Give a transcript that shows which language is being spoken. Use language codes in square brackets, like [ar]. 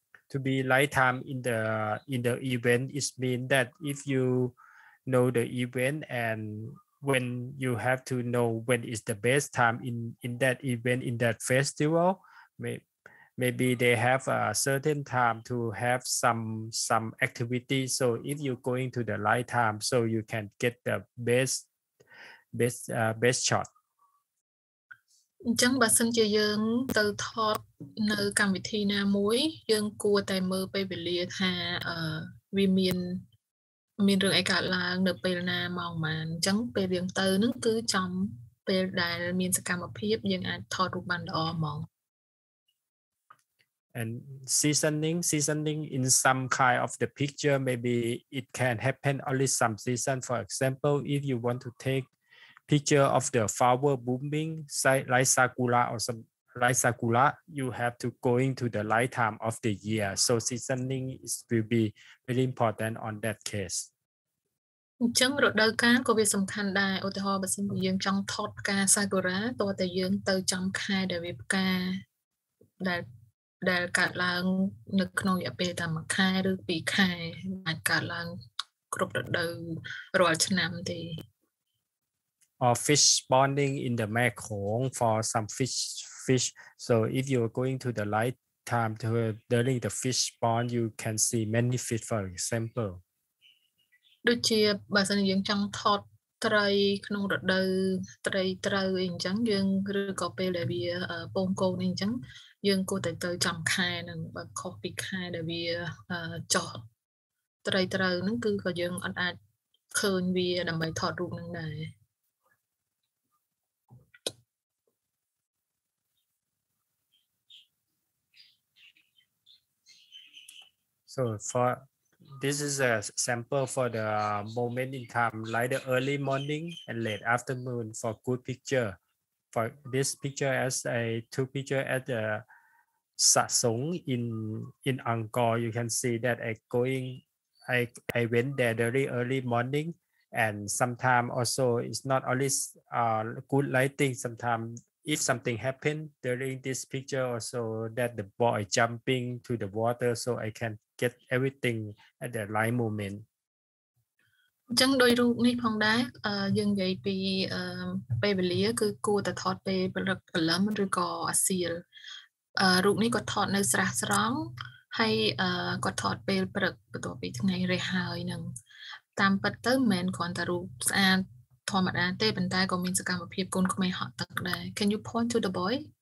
[en] to be right time in the event, it means that if you know the event and when you have to know when is the best time in that event, in that festival, maybe they have a certain time to have some activity. So if you're going to the right time, so you can get the best shot. [km] អញ្ចឹងបើសិនជាយើងទៅថតនៅកម្មវិធីណាមួយយើងគួរតែមើលពេលវេលាថាវាមានរឿងអីកើតឡើងនៅពេលណាម៉ោងម៉ានអញ្ចឹងពេលយើងទៅនឹងគឺចំពេលដែលមានសកម្មភាពយើងអាចថតរូបបានល្អហ្មង [en] And seasoning in some kind of the picture, maybe it can happen only some season. For example, if you want to take picture of the flower blooming, like sakura or some like sakura, you have to go into the right time of the year. So seasoning will be really important on that case. [km] ចឹងរដូវកាលក៏វាសំខាន់ដែរឧទាហរណ៍បើសិនជាយើងចង់ថតផ្កាសាគូរ៉ាតើតើយើងទៅចំខែដែលវាផ្កាដែលកើតឡើងនៅក្នុងរយៈពេលតែមួយខែឬពីរខែអាចកើតឡើងគ្រប់រដូវរាល់ឆ្នាំទេ [en] Or fish spawning in the Mae Khong for some fish. So if you're going to the right time to during the fish spawn, you can see many fish, for example. [km] ដូចជាបើសិនយើងចង់ថតត្រីក្នុងរដូវត្រីត្រូវអីអញ្ចឹងយើងឬក៏ពេលដែលវាពងកូនអីអញ្ចឹងយើងគួរតែទៅចំខែនឹងបើខុសពីខែដែលវាចោះត្រីត្រូវហ្នឹងគឺក៏យើងអត់អាចឃើញវាដើម្បីថតរូបហ្នឹងដែរ [en] So for this is a sample for the moment in time, like the early morning and late afternoon for good picture. For this picture, as a two picture at the Sa Song in Angkor, you can see that I went there very early morning, and sometimes also it's not always good lighting. Sometimes if something happened during this picture also that the boy jumping to the water, so I can. Get everything at the right moment [km] អញ្ចឹងដោយរូបនេះផងដែរយើងនិយាយពីពេលវេលាគឺគួរតែថតពេលព្រឹកព្រលឹមឬក៏អាសៀលរូបនេះគាត់ថតនៅស្រះស្រង់ហើយគាត់ថតពេលព្រឹកបន្ទាប់ពីថ្ងៃរះហើយនឹងតាមពិតទៅមិនមែនគ្រាន់តែរូបស្អាតធម្មតាទេប៉ុន្តែក៏មានសកម្មភាពកូនក្មេងហត់ទឹកដែរ [en] Can you point to the boy?